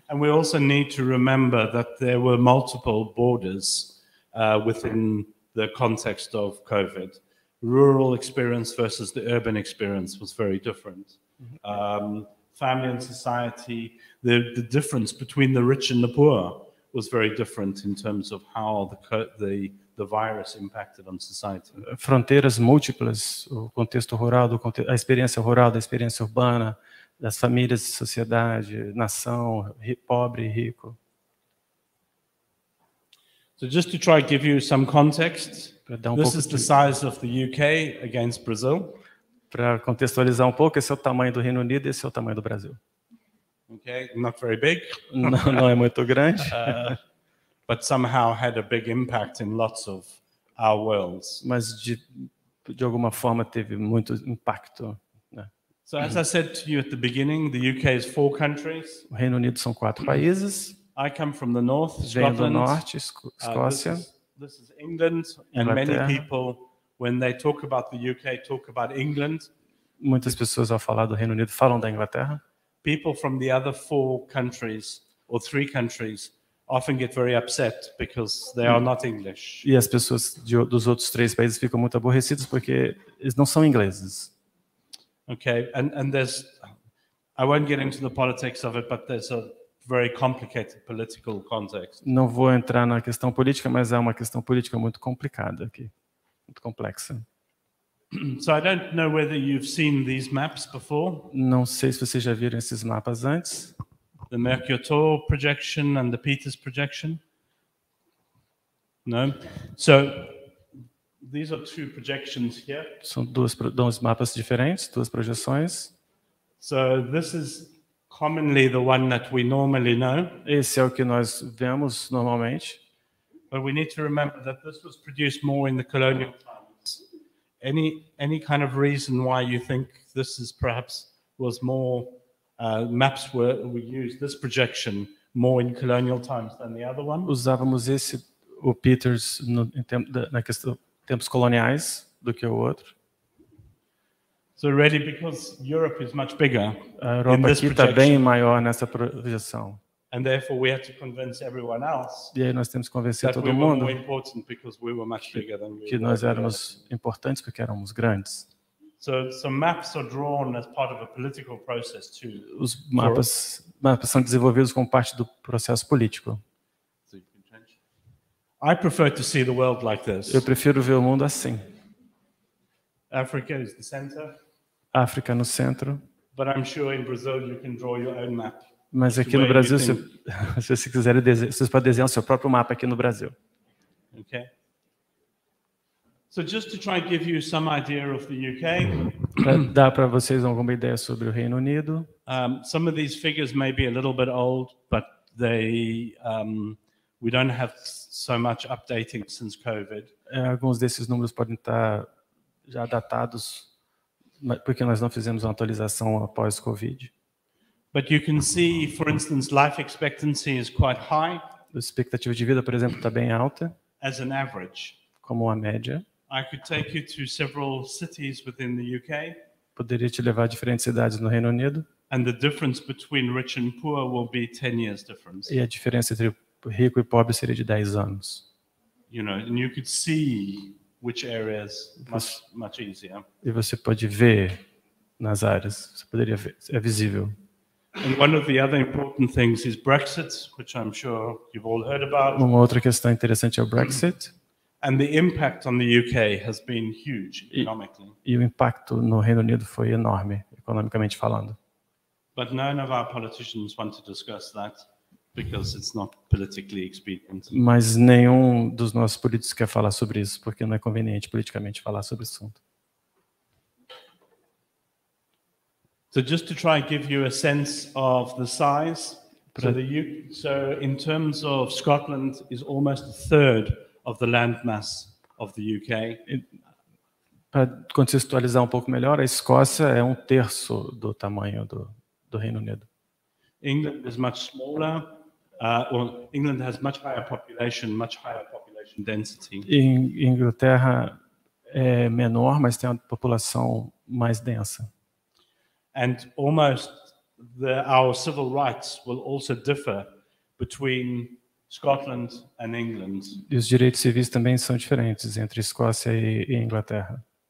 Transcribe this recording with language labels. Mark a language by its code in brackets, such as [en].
[en] And we also need to remember that there were multiple borders within the context of COVID. Rural experience versus the urban experience was very different. Mm-hmm. Family and society, the difference between the rich and the poor was very different in terms of how the virus impacted on society. [pt] Fronteiras múltiplas, o contexto rural, a experiência rural, da experiência urbana, das famílias, sociedade, nação, pobre, rico. [en] So just to try to give you some context, this is the size of the UK against Brazil. [pt] Para contextualizar pouco, esse é o tamanho do Reino Unido e esse é o tamanho do Brasil. [en] Okay, not very big. [pt] Não é muito grande. [en] But somehow had a big impact in lots of our worlds. [pt] Mas de alguma forma teve muito impacto, né? [en] So as I said to you at the beginning, the UK is four countries. [pt] O Reino Unido são quatro países. [en] I come from the north, [pt] Scotland. Venho do norte, Escócia. [en] This is England, and many people, when they talk about the UK, talk about England. [pt] Muitas pessoas ao falar do Reino Unido falam da Inglaterra. [en] People from the other four countries or three countries often get very upset because they are not English. [pt] E as pessoas dos outros três países ficam muito aborrecidas porque eles não são ingleses. [en] Okay, and there's, I won't get into the politics of it, but there's a very complicated political context. [pt] Não vou entrar na questão política, mas é uma questão política muito complicada aqui, muito complexa. [en] So I don't know whether you've seen these maps before. [pt] Não sei se vocês já viram esses mapas antes. [en] The Mercator projection and the Peters projection. No. So these are two projections here. [pt] São dois mapas diferentes, duas projeções. [en] So this is commonly the one that we normally know. [pt] Esse é o que nós vemos normalmente. [en] But we need to remember that this was produced more in the colonial times. Any kind of reason why you think this is perhaps was more maps were we used this projection more in colonial times than the other one? [pt] Usávamos esse o Peters no tempos coloniais do que o outro. [en] So really, because Europe is much bigger, [pt] a Europa aqui está bem maior nessa projeção. [en] And therefore, we had to convince everyone else. [pt] E aí nós temos que convencer [en] that [pt] todo [en] we [pt] mundo. [en] Were more important because we were much bigger than [pt] que nós éramos importantes porque éramos grandes. [en] So maps are drawn as part of a political process too. [pt] Os mapas são desenvolvidos como parte do processo político. [en] I prefer to see the world like this. [pt] Eu prefiro ver o mundo assim. [en] Africa is the center. [pt] África no centro. [en] But I'm sure in Brazil you can draw your own map. [pt] Mas aqui no Brasil, se quiser, vocês podem desenhar o seu próprio mapa aqui no Brasil. [en] Okay. So just to try and give you some idea of the UK. [pt] Dá para vocês alguma ideia sobre o Reino Unido? [en] Some of these figures may be a little bit old, but we don't have so much updating since COVID. [pt] Alguns desses números podem estar já datados, porque nós não fizemos uma atualização após COVID. [en] But you can see, for instance, life expectancy is quite high. [pt] A expectativa de vida, por exemplo, está bem alta. [en] As an average. [pt] Como uma média. [en] I could take you to several cities within the UK. [pt] Poderia te levar a diferentes cidades no Reino Unido. [en] And the difference between rich and poor will be 10 years difference. [pt] E a diferença entre rico e pobre seria de 10 anos. [en] You know, and you could see which areas much much easier. [pt] E você pode ver nas áreas. Você poderia ver. É visível. [en] And one of the other important things is Brexit, which I'm sure you've all heard about. [pt] Uma outra questão interessante é o Brexit. [en] And the impact on the UK has been huge economically. [pt] E o impacto no Reino Unido foi enorme, economicamente falando. [en] But none of our politicians want to discuss that because it's not politically expedient. [pt] Mas nenhum dos nossos políticos quer falar sobre isso porque não é conveniente politicamente falar sobre o assunto. [en] So just to try and give you a sense of the size, so in terms of Scotland is almost a third of the landmass of the UK. [pt] Para contextualizar pouco melhor, a Escócia é terço do tamanho do Reino Unido. [en] England is much smaller. England has much higher population, density. [pt] Inglaterra é menor, mas tem uma população mais densa. [en] And almost our civil rights will also differ between Scotland and England. [pt] E os direitos civis também são diferentes entre Escócia e Inglaterra.